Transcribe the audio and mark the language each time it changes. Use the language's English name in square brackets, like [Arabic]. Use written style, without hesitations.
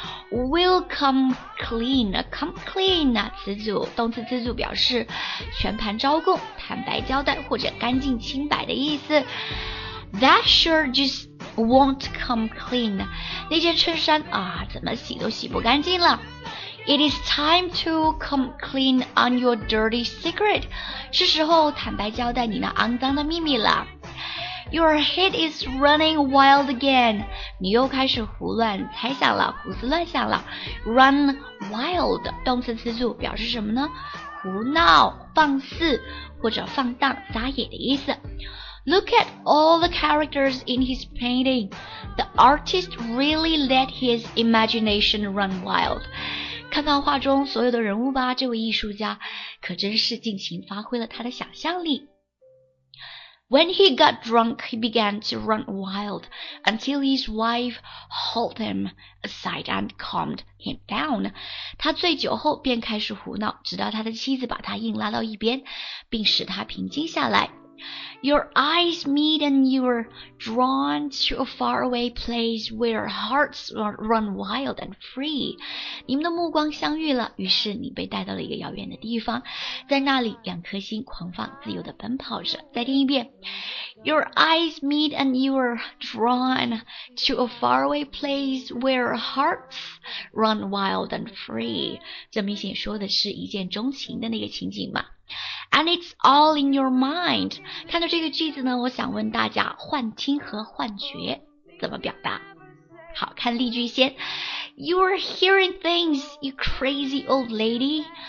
[English] Will come clean, come clean, [Chinese] 词组动词词组表示全盘招供坦白交代或者干净清白的意思 [English] That shirt just won't come clean [Chinese] 那件衬衫啊，怎么洗都洗不干净了 [English] It is time to come clean on your dirty secret [Chinese] 是时候坦白交代你那肮脏的秘密了 [English] Your head is running wild again. [Chinese] 你又开始胡乱猜想了，胡思乱想了。 [English] Run wild, [Chinese] 动词词组表示什么呢？胡闹、放肆或者放荡、撒野的意思。 [English] Look at all the characters in his painting. The artist really let his imagination run wild. [Chinese] 看到画中所有的人物吧，这位艺术家可真是尽情发挥了他的想象力。 [English] When he got drunk, he began to run wild until his wife hauled him aside and calmed him down. [Chinese] 他醉酒后便开始胡闹，直到他的妻子把他硬拉到一边，并使他平静下来。 [English] Your eyes meet and you are drawn to a faraway place where hearts run wild and free. [Chinese] 你们的目光相遇了，于是你被带到了一个遥远的地方，在那里两颗心狂放自由地奔跑着。再听一遍。 [English] Your eyes meet and you are drawn to a faraway place where hearts run wild and free. [Chinese] 这明显说的是一见钟情的那个情景嘛。 And it's all in your mind. 看到这个句子呢，我想问大家，幻听和幻觉怎么表达？好，看例句先。 [English] You're hearing things, you crazy old lady.